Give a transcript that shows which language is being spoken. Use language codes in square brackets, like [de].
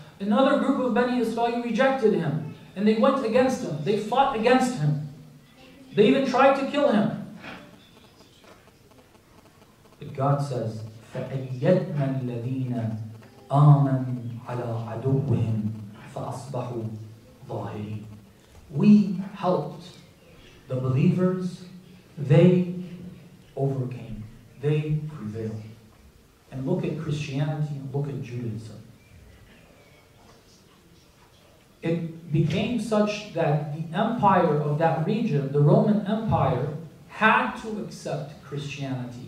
[en] Another group of Bani Israel rejected him, and they went against him. They fought against him. They even tried to kill him. But God says, [ar] فَأَيَّدْنَا الَّذِينَ آمَنُوا عَلَىٰ عَدُوِّهِمْ فَأَصْبَحُوا ظَاهِرِينَ. [en] We helped the believers. They overcame. They prevailed. And look at Christianity and look at Judaism. It became such that the empire of that region, the Roman Empire, had to accept Christianity.